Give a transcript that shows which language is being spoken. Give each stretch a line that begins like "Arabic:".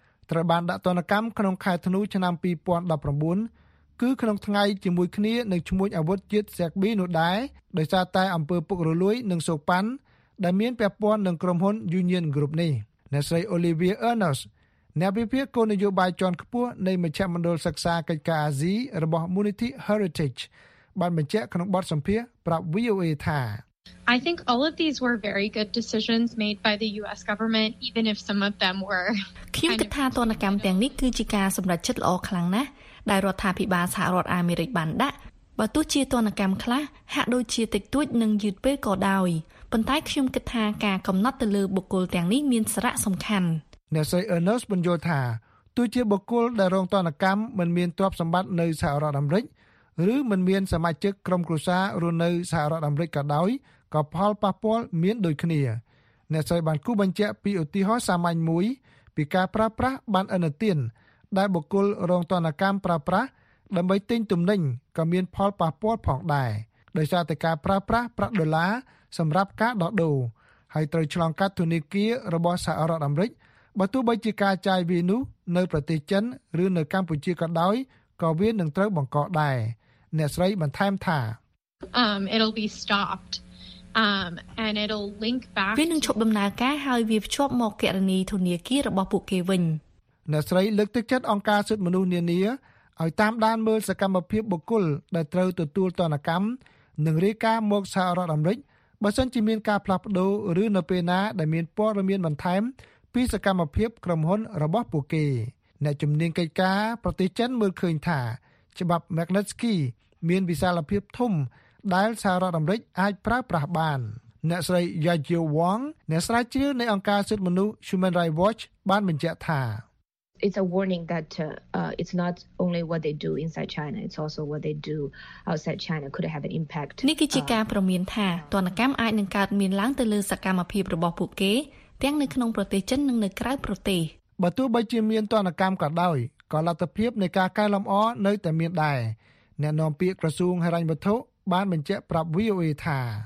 Khmer: ត្រូវបានដាក់ទណ្ឌកម្មក្នុងខែធ្នូឆ្នាំ2019គឺក្នុងថ្ងៃជាមួយគ្នានឹងឈ្មោះអាវុធជាតិសាក់ប៊ីនោះដែរដោយសារតែអំពើពុករលួយនិងសូកប៉ាន់ដែលមានពាក់ព័ន្ធនឹងក្រុមហ៊ុន Union Group នេះអ្នកស្រី Olivia Ernst អ្នកវិភាគគោលនយោបាយជាន់ខ្ពស់នៃមជ្ឈមណ្ឌលសិក្សាកិច្ចការអាស៊ីរបស់ Munity Heritage បានបញ្ជាក់ក្នុងបទសម្ភាសន៍ប្រាប់ VOA ថា
English: I think all of these were very good decisions made by the US government even if some of them were
Khmer: ខ្ញុំគិតថាទណ្ឌកម្មទាំងនេះគឺជាការសម្រេចចិត្តល្អខ្លាំងណាស់ដែលរដ្ឋាភិបាលសហរដ្ឋអាមេរិកបានដាក់បើទោះជាទណ្ឌកម្មខ្លះហាក់ដូចជាតិចតួចនិងយឺតពេលក៏ដោយប៉ុន្តែខ្ញុំគិតថាការកំណត់ទៅលើបុគ្គលទាំងនេះមានសារៈសំខាន់អ្នកស្រី Ernest បញ្ជាក់ថាទោះជាបុគ្គលដែលរងទណ្ឌកម្មមិនមានទ្រព្យសម្បត្តិនៅសហរដ្ឋអាមេរិកឬមិនមានសមាជិកក្រុមគ្រួសាររស់នៅសហរដ្ឋអាមេរិកក៏ដោយក៏ផលប៉ះពាល់មានដូចគ្នា អ្នកស្រីបានគូបញ្ជាក់ពីឧទាហរណ៍សាមញ្ញមួយពីការប្រើប្រាស់បានអនុទានដែលបុគ្គលរងទណ្ឌកម្មប្រើប្រាស់ដើម្បីទិញទំនិញក៏មានផលប៉ះពាល់ផងដែរដោយសារតែការប្រើប្រាស់ប្រាក់ដុល្លារសម្រាប់ការដោះដូរហើយត្រូវឆ្លងកាត់ធនាគាររបស់សហរដ្ឋអាមេរិកបើទោះបីជាការចាយវានោះនៅប្រទេសចិនឬនៅកម្ពុជាក៏ដោយក៏វានឹងត្រូវបង្កដែរអ្នកស្រីបន្ថែមថា
English: it'll be stopped and it'll link back
Khmer: វានឹងឈប់ដំណើរការហើយវាភ្ជាប់មកករណីធនាគាររបស់ពួកគេវិញ អ្នកស្រីលើកទឹកចិត្តអង្គការសិទ្ធិមនុស្សនានាឲ្យតាមដានមើលសកម្មភាពបុគ្គលដែលត្រូវទទួលទណ្ឌកម្មនិងរាយការណ៍មកសហរដ្ឋអាមេរិកបើសិនជាមានការផ្លាស់ប្ដូរឬនៅពេលណាដែលមានព័ត៌មានបន្ថែមពីសកម្មភាពក្រុមហ៊ុនរបស់ពួកគេអ្នកជំនាញកិច្ចការប្រទេសចិនមើលឃើញថាច្បាប់ Magnitsky មានវិសាលភាពធំដែលសហរដ្ឋអាមេរិកអាចប្រើប្រាស់បានអ្នកស្រី Yajie Wang អ្នកស្រាវជ្រាវនៃអង្គការសិទ្ធិមនុស្ស Human Rights Watch បានបញ្ជាក់ថា
English: It's a warning that it's not only what they do inside China, it's also what they do outside China could have an impact.
Khmer: នេះគឺជាការព្រមានថាទណ្ឌកម្មអាចនឹងកើតមានឡើងទៅលើសកម្មភាពរបស់ពួកគេទាំងនៅក្នុងប្រទេសចិននិងនៅក្រៅប្រទេស បើទោះបីជាមានទណ្ឌកម្មក៏ដោយក៏លទ្ធភាពនៃការកែលម្អនៅតែមានដែរអ្នកនាំពាក្យក្រសួងហិរញ្ញវត្ថុបានបញ្ជាក់ប្រាប់ VOA ថា